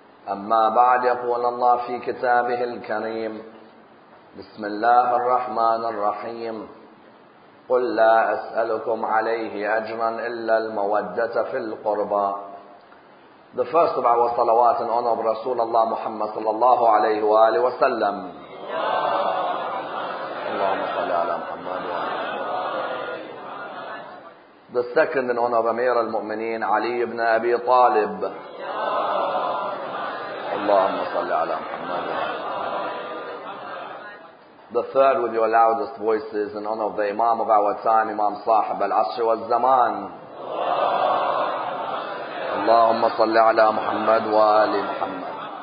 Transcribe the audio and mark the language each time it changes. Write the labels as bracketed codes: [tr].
[ar] أما بعد، يقول الله في كتابه الكريم بسم الله الرحمن الرحيم: قل لا أسألكم عليه أجرا إلا المودة في القربى. [en] The first of our salawat and honor of Rasulullah Muhammad [ar] صلى الله عليه وآله وسلم. اللهم صل على محمد وآله. [en] The second in honor of Amir al-Mu'mineen Ali ibn Abi Talib. [ar] اللهم صل على محمد. [en] The third with your loudest voices in honor of the Imam of our time, Imam Sahib al-Asr wal-Zaman. [ar] اللهم صل على محمد وآل محمد.